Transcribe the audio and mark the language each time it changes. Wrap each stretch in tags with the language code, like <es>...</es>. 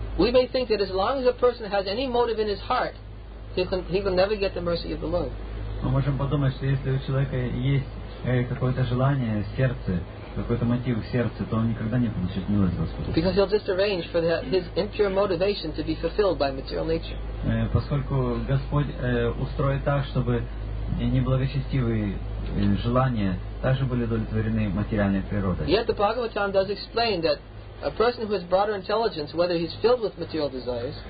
<en>We may think that as long as a person has any motive in his heart, he will never get the mercy of the Lord.</en> <ru>Мы можем подумать, что если у человека есть какое-то желание в сердце, какой-то мотив в сердце, то он никогда не получит милость Господа.</ru> <en>Because he'll just arrange for his impure motivation to be fulfilled by material nature.</en> <ru>Поскольку Господь устроит так, чтобы неблагочестивые желания также были удовлетворены материальной природой.</ru> <en>Yet the Bhagavatam does explain that a person who has broader intelligence, whether he's filled with material desires.</en>